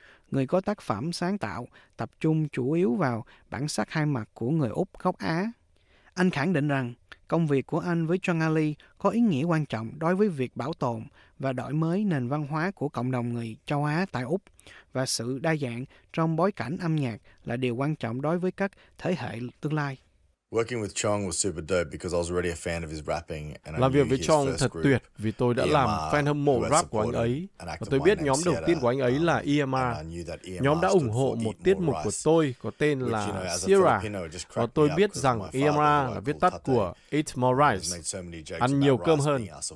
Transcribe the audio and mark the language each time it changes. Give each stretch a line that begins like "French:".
Vietnamese: Người có tác phẩm sáng tạo tập trung chủ yếu vào bản sắc hai mặt của người Úc gốc Á. Anh khẳng định rằng công việc của anh với John Ali có ý nghĩa quan trọng đối với việc bảo tồn và đổi mới nền văn hóa của cộng đồng người châu Á tại Úc, và sự đa dạng trong bối cảnh âm nhạc là điều quan trọng đối với các thế hệ tương lai.
English: Working with Chong was super dope because I was already a fan of his rapping and I knew.
Vietnamese: Làm việc với Chong thật tuyệt vì tôi đã làm fan hâm mộ rap của anh ấy. Và tôi biết nhóm đầu tiên của anh ấy là EMR. Nhóm đã ủng hộ một tiết mục của tôi có tên là Sierra. Và tôi biết rằng EMR là viết tắt của Eat More Rice, ăn nhiều cơm hơn.